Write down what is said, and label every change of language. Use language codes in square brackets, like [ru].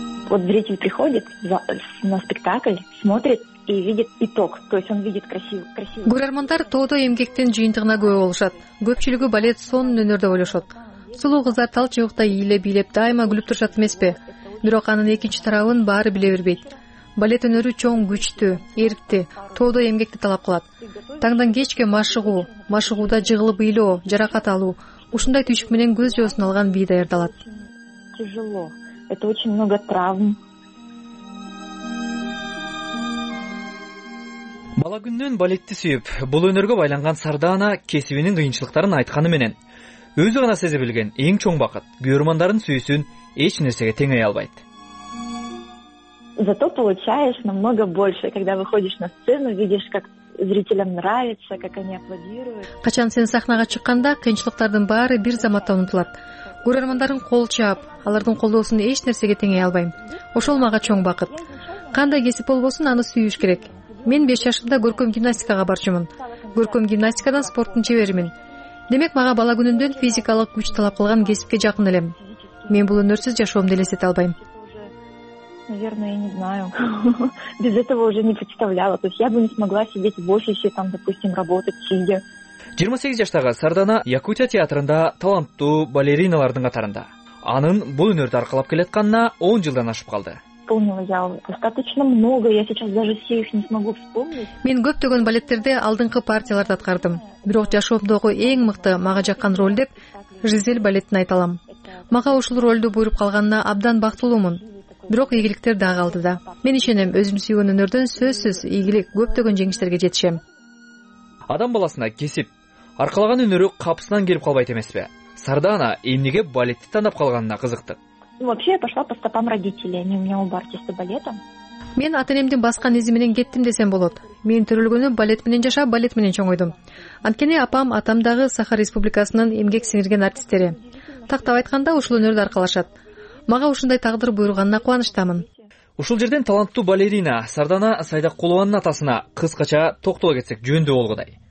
[ru] Вот зритель приходит на спектакль, смотрит и видит итог, то есть он видит красивый. [ky] Көрөрмандар тоодо эмгектин жыйынтыгына күбө болушат. Көпчүлүгү балет сонун өнөрдө ойлошот. Сулуу кыздар тал чыбыкта ийиле бийлеп дайыма күлүп турушат эмеспи? Бирок анын экинчи тарабын баары биле бербейт. Балет өнөрү чоң күчтү, эрктүү, тоодо эмгекти талап кылат. Таңдан кечке машыгуу, машыгууда жыгылып ийлөө, жаракат алуу, ушундай түйшүк менен көз жоосун алган бий даярдалат. [ru] Тяжело. Это очень много травм. [ky] Бала күнүнөн балетти сүйүп, бул өнөргө байланган Сардана кесибинин кыйынчылыктарын айтканы менен өзү гана сезе билген эң чоң бакыт көрөрмандардын сүйүүсүн эч нерсеге теңей албайт. [ru] Зато получаешь намного больше, когда выходишь на сцену, видишь, как зрителям нравится, как они аплодируют. [ky] Качан сен сахнага чыкканда кыйынчылыктардын баары бир заматта унутулат. Көрөрмандардын кол чаап, алардын колдоосун эч нерсеге теңей албайм. Ошол мага чоң бакыт. Кандай кесип болбосун, аны сүйүш керек. Мен 5 жашымда көркөм гимнастикага барчумун. Көркөм гимнастикадан спорттун чеберимин. Демек мага бала күнүмдөн физикалык күч талап кылган кесипке жакын элем. Мен бул өнөрсүз жашоомду элестете албайм. [ru] Наверное, я не знаю. Без этого уже не представляла. То есть я бы не смогла сидеть в офисе, там, допустим, работать, сидя. [ky] 28 жаштагы Сардана Якутия театрында таланттуу балериналардын катарында. Анын бул өнөрдү аркалап келатканына 10 жылдан ашып калды. [ru] Помнила я достаточно много. Я сейчас даже все их не смогу вспомнить. [ky] Мен көптөгөн балеттерде алдыңкы партияларды аткардым. Бирок жашоомдогу эң мыкты мага жаккан роль деп Жизель балетин айта алам. Мага ушул ролду буйруп калганына абдан бактылуумун. Бирок ийгиликтер дагы алдыда. Мен ишенем, өзүм сүйгөн өнөрдөн сөзсүз ийгилик көптөгөн жеңиштерге жетишем. Адам баласына кесип, аркалаган өнөрү капсынан келип калбайт эмеспи? Сардана эмнеге балетти тандап калганына кызыкты. [ru] Вообще я пошла по стопам родителей, они у меня оба артисты балета. [ky] Мен ата-энемдин баскан изи менен кеттим десем болот. Мен төрөлгөнүм балет менен жашап, балет менен чоңойдум. Анткени апам атам дагы Саха Республикасынын эмгек сиңирген артисттери. Тактап айтканда ушул өнөрдү аркалашат. Мага ушундай тагдыр буйруганына кубанычтамын. Ушул жерден таланттуу балерина Сардана Сайдакулованын атасына кыскача токтоло кетсек жөндөө болгудай.